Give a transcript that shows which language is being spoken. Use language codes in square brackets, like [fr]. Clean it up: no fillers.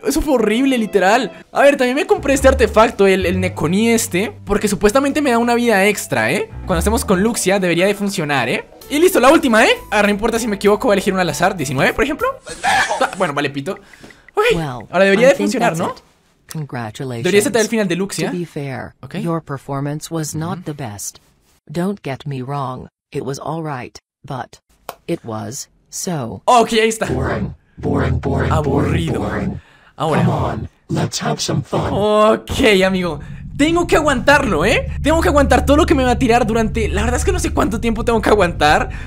[es] Eso fue horrible, literal. A ver, también me compré este artefacto, el Neconí este, porque supuestamente me da una vida extra, ¿eh? Cuando estemos con Luxia, debería de funcionar, ¿eh? Y listo, la última, ¿eh? Ahora no importa si me equivoco, voy a elegir una al azar. 19, por ejemplo. Bueno, vale, pito. Okay. Ahora debería de funcionar, ¿no? [en] Congratulations. [es] Debería ser el final de Luxia. [en] To be fair, okay. Your performance was not the best. Don't get me wrong. It was all right, but it was so. [es] Okay, ahí está. [en] Boring. [es] Aburrido. Ahora. [en] Come on, let's have some fun. [es] Okay, amigo. Tengo que aguantarlo, ¿eh? Tengo que aguantar todo lo que me va a tirar durante... La verdad es que no sé cuánto tiempo tengo que aguantar.